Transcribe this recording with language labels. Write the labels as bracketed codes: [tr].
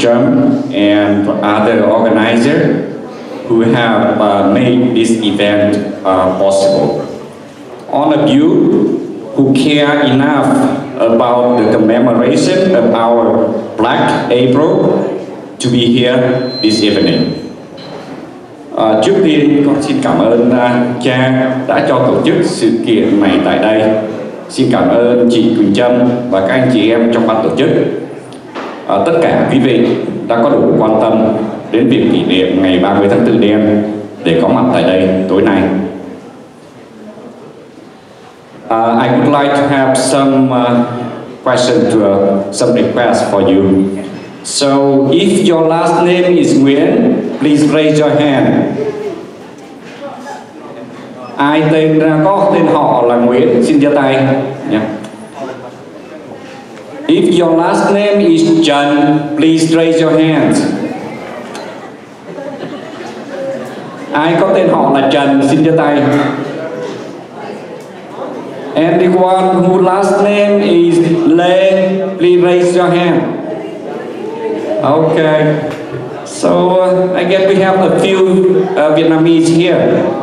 [en] Trâm and other organizers who have made this event possible. All of you who care enough about the commemoration of our Black April to be here this evening. [vi] Trước tiên, con xin cảm ơn cha đã cho tổ chức sự kiện này tại đây. Xin cảm ơn chị Quỳnh Trâm và các anh chị em trong ban tổ chức. Tất cả quý vị đã có đủ quan tâm đến việc kỷ niệm ngày 30 tháng 4 đêm để có mặt tại đây tối nay. [en] I would like to have some question to some request for you. So, if your last name is Nguyễn, please raise your hand. [vi] Ai tên có tên họ là Nguyễn, xin giơ tay. [en] Yeah. If your last name is Trần, please raise your hand. [vi] Ai có tên họ là Trần, xin giơ tay. [en] Anyone who last name is Lê, please raise your hand. Okay, so I guess we have a few Vietnamese here.